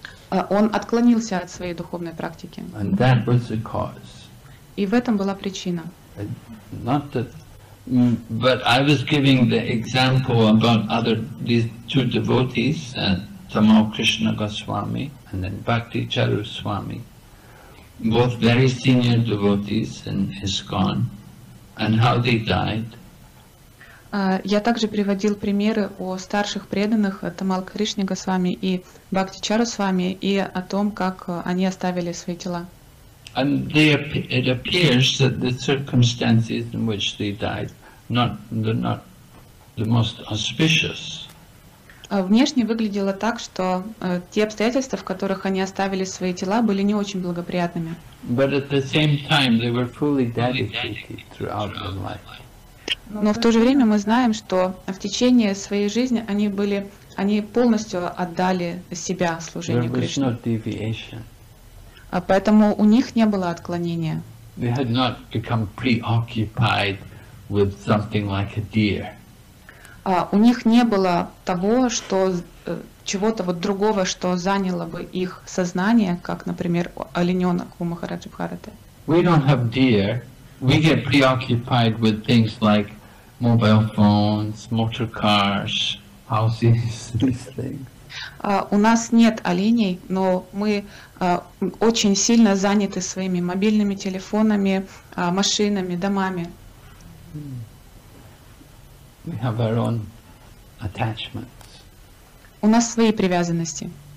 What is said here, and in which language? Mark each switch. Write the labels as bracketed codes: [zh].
[ru] Он отклонился от своей духовной практики. [en] And that was the cause. [ru] И в этом была причина. [en] Not that. But I was giving the example about other these two devotees, Tamal Krishna Goswami and then Bhakti Charu Swami, both very senior devotees in ISKCON, and how they died. [ru] Я также приводил примеры о старших преданных Тамал Кришне Госвами и Бхакти Чару Свами и о том, как они оставили свои тела. [en] And they, it appears that the circumstances in which they died not the most auspicious. [ru] Внешне выглядело так, что те обстоятельства, в которых они оставили свои тела, были не очень благоприятными. [en] But at the same time they were fully dedicated throughout their life. [ru] Но в то же время мы знаем, что в течение своей жизни они были, они полностью отдали себя служению Кришне. [en] There was no deviation. [ru] Поэтому у них не было отклонения. [en] They had not become preoccupied with something like a deer. [ru] У них не было того, что чего-то вот другого, что заняло бы их сознание, как, например, олененок у Махараджи Бхараты. [en] We don't have deer. We get preoccupied with things like mobile phones, motor cars, houses, these things. [ru] У нас нет оленей, но мы очень сильно заняты своими мобильными телефонами, машинами, домами. [en] We have our own attachments. [ru] У нас свои привязанности.